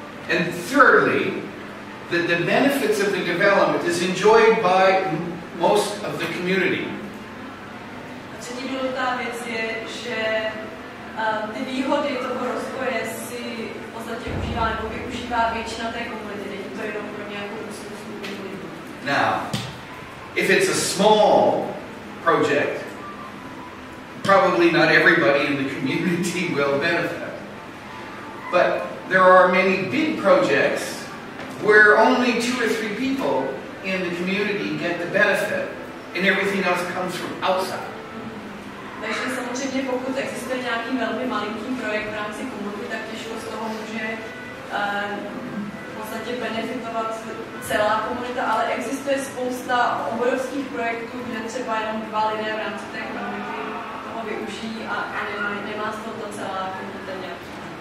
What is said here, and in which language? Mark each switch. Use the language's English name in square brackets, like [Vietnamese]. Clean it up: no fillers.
[English] And thirdly, that the benefits of the development is enjoyed by most of the community. [Czech] A třetí důležitá věc je, že ty výhody toho rozvoje si v podstatě užívá nebo využívá většina té komunity, není to jenom pro nějakou úzkou skupinu lidí. [English] Now, if it's a small project, probably not everybody in the community will benefit. But there are many big projects where only two or three people in the community get the benefit and everything else comes from outside. [Czech] Takže samozřejmě pokud existuje nějaký velmi malinký projekt v rámci komunity, tak těžko z toho může v podstatě benefitovat celá komunita, ale existuje spousta obrovských projektů, kde třeba jenom dva lidé v rámci té komunity toho využijí a nemá z toho celá komunita nějaký.